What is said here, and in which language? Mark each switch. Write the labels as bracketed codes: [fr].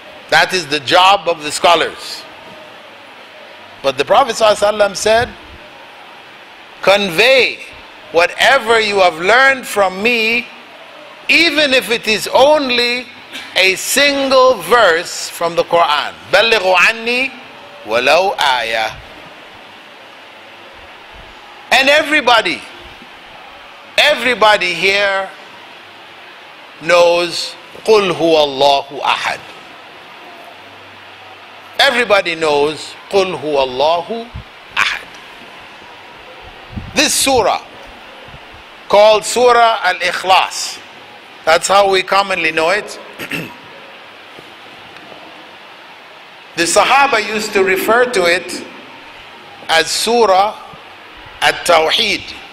[en] That is the job of the scholars. But the Prophet ﷺ said, convey whatever you have learned from me, even if it is only a single verse from the Quran. [ar] بَلِّغُ عَنِّي وَلَوْ آيَةً. [en] And everybody here knows [ar] قُلْ هُوَ اللَّهُ أَحَد. [en] Everybody knows [ar] قُلْ هُوَ اللَّهُ أَحَد. [en] This surah, called Surah Al-Ikhlas, that's how we commonly know it. The Sahaba used to refer to it as Surah Al-Tawheed.